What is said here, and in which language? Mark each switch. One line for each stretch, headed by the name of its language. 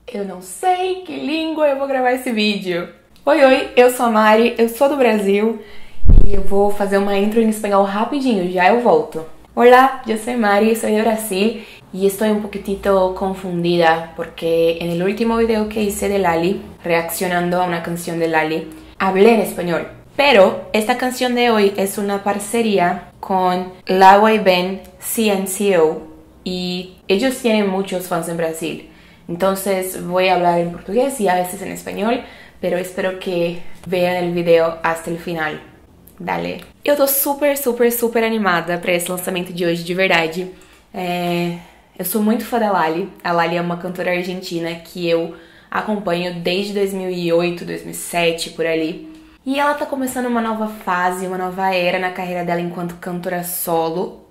Portuguese: Eu não sei em que língua eu vou gravar esse vídeo. Oi, oi, eu sou a Mari, eu sou do Brasil e eu vou fazer uma intro em espanhol rapidinho, já eu volto. Olá, eu sou Mari, sou do Brasil e estou um
Spanish: poquitito confundida porque no último vídeo que hice de Lali, reaccionando a uma canção de Lali, hablé em espanhol. Pero esta canción de hoy es una parcería con la boyband CNCO y ellos tienen muchos fans en Brasil. Entonces voy a hablar en portugués y a veces en español, pero espero que vean el video hasta el final. Dale.
Portuguese: Eu tô super, super, super animada para esse lançamento de hoje, de verdade. Eu sou muito fã da Lali. A Lali é uma cantora argentina que eu acompanho desde 2008, 2007, por ali. E ela tá começando uma nova fase, uma nova era na carreira dela enquanto cantora solo.